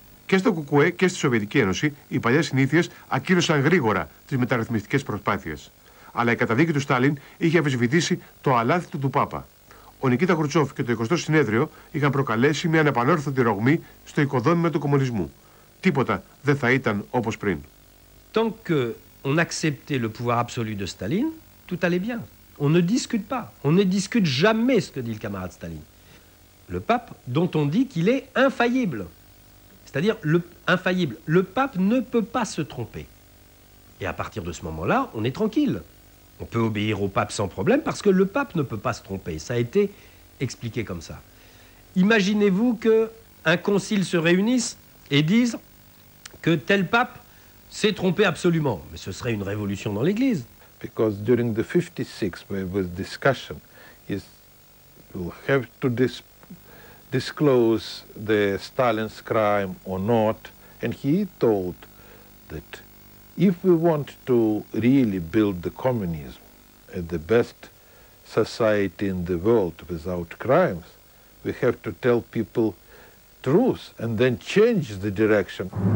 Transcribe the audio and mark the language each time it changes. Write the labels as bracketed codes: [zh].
[el] Και στο ΚΚΕ και στη Σοβιετική Ένωση, οι παλιές συνήθειες ακύρωσαν γρήγορα τις μεταρρυθμιστικές προσπάθειες. Αλλά η καταδίκη του Στάλιν είχε αμφισβητήσει το αλάθητο του Πάπα. Ο Νικήτα Χρουτσόφ και το 20ο Συνέδριο είχαν προκαλέσει μια ανεπανόρθωτη ρογμή στο οικοδόμημα του κομμουνισμού. Τίποτα δεν θα ήταν όπως πριν. [fr] Tant que on acceptait le pouvoir absolu de Staline, tout allait bien. On ne discute pas. On ne discute jamais ce que dit le camarade Staline. Le pape, dont on dit qu'il est infaillible. C'est-à-dire le infaillible. Le pape ne peut pas se tromper. Et à partir de ce moment-là, on est tranquille. On peut obéir au pape sans problème parce que le pape ne peut pas se tromper. Ça a été expliqué comme ça. Imaginez-vous qu'un concile se réunisse et dise que tel pape s'est trompé absolument. Mais ce serait une révolution dans l'Église. [en] Because during the 56, where it was discussion, you have to disclose the Stalin's crime or not. And he told that if we want to really build the communism and the best society in the world without crimes, we have to tell people truth and then change the direction.